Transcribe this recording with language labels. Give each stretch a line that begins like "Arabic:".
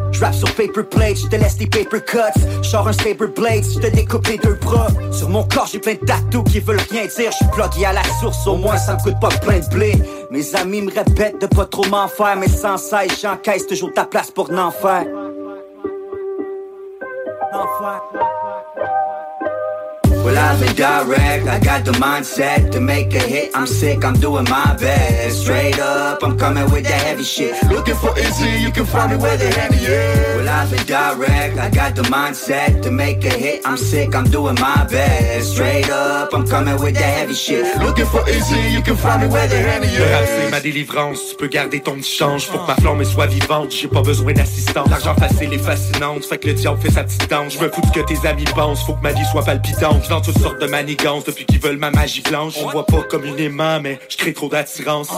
French: Je rappe sur
English: paper plates,
French: je te laisse des
English: paper cuts.
French: Je sors un saber blade, je te découpe les deux bras. Sur mon corps, j'ai plein de tatous qui veulent rien dire. Je suis plugué à la source, au moins ça me coûte pas plein de blé. Mes amis me répètent de pas trop m'en faire. Mais sans cesse, j'encaisse toujours ta place pour l'enfer.
English: Well, I've been direct, I got the mindset to make a hit. I'm sick, I'm doing my best. Straight up, I'm coming with that heavy shit. Looking for Izzy, you can find me where the heavy is. Well, I've been direct, I got the mindset to make a hit. I'm sick, I'm doing my best. Straight up, I'm coming with that heavy shit. Looking for Izzy, you can find me where the heavy is.
French: Le rap, c'est ma délivrance, tu peux garder ton échange. Faut que ma flamme soit vivante, j'ai pas besoin d'assistance. L'argent facile est fascinante, fait que le diable fait sa petite danse. J'me fous de ce que tes amis pensent, faut que ma vie soit palpitante. présente toutes sortes de manigances depuis qu'ils veulent ma magie blanche. On voit pas communément, mais je crée trop d'attirance.